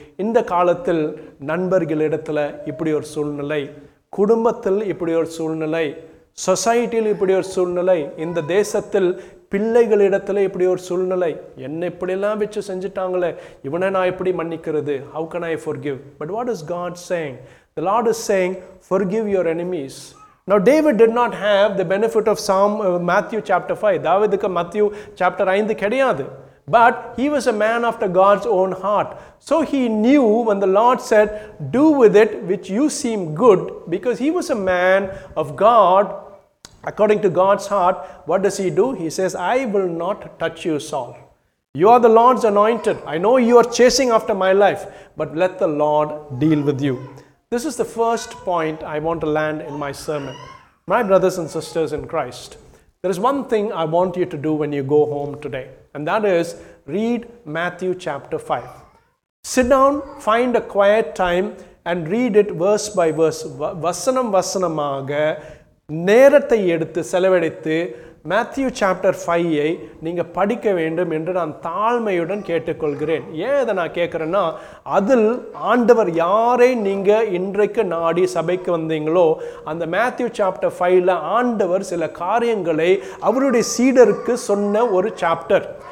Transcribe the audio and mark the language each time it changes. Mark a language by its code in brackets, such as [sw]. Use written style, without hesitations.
[ta] இந்த காலத்தில் நண்பர்களிடத்தில் இப்படி ஒரு சூழ்நிலை, குடும்பத்தில் இப்படி ஒரு சூழ்நிலை, சொசைட்டியில் இப்படி ஒரு சூழ்நிலை, இந்த தேசத்தில் பிள்ளைகளிடத்துல இப்படி ஒரு சூழ்நிலை, என்ன இப்படிலாம் வச்சு செஞ்சிட்டாங்களே, இவனை நான் எப்படி மன்னிக்கிறது, [en] How can I forgive. But what is God saying? The Lord is saying, forgive your enemies. Now David did not have the benefit of some Matthew chapter 5. [ta] தாவீதுக்கு மத்தியூ சாப்டர் 5 கிடையாது. [en] But he was a man after God's own heart. So he knew when the Lord said, do with it which you seem good, because he was a man of God, according to God's heart, what does he do? He says, I will not touch you, Saul. You are the Lord's anointed. I know you are chasing after my life, but let the Lord deal with you. This is the first point I want to land in my sermon. My brothers and sisters in Christ, there is one thing I want you to do when you go home today, and that is read Matthew chapter 5. Sit down, find a quiet time, and read it verse by verse, [ta] vasanam vasanamaga, நேரத்தை எடுத்து செலவழித்து Matthew chapter 5 நீங்கள் படிக்க வேண்டும் என்று நான் தாழ்மையுடன் கேட்டுக்கொள்கிறேன். ஏன் இதை நான் கேட்குறேன்னா, அதில் ஆண்டவர் யாரை நீங்கள் இன்றைக்கு நாடி சபைக்கு வந்தீங்களோ அந்த மேத்யூ சாப்டர் 5 ஆண்டவர் சில காரியங்களை அவருடைய சீடருக்கு சொன்ன ஒரு சாப்டர்.